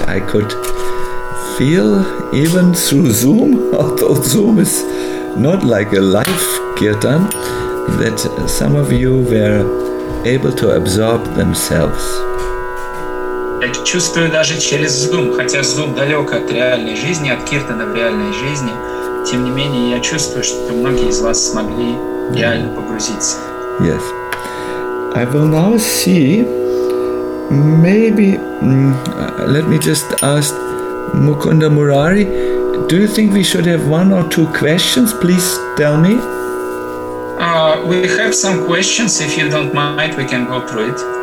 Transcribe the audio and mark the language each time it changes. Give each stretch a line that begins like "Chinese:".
English: I could feel even through Zoom, although Zoom is not like a live kirtan, that some of you were able to absorb themselves.
Russian: Чувствую даже через Zoom, хотя Zoom далек от реальной жизни, от киртана в реальной жизни, тем не менее я чувствую, что многие из вас смогли реально погрузиться.
English: Yes. I will now see, maybe, let me just ask Mukunda Murari, do you think we should have one or two questions? Please tell me. We have some questions, if you don't mind, we can go through it.